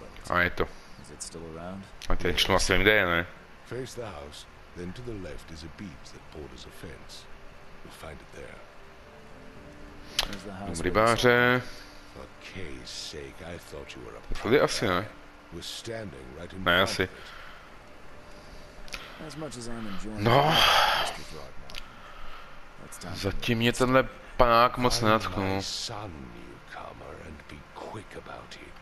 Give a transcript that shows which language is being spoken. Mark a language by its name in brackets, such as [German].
[Czech] A je to. A ten člun asi vím, kde je, ne? [English] Face the house, then to the left is a beach that borders a fence. You'll find it there. [Czech] Dům rybáře. [English] For K's sake, I thought you were a pirate. [Czech] Asi, ne? [English] We're standing right in front of it. As much as I'm enjoying it, Mr. Throgmorton. [Czech] Zatím mě tenhle panák moc nenatchnul. [English] Find my son, newcomer, and be quick about it.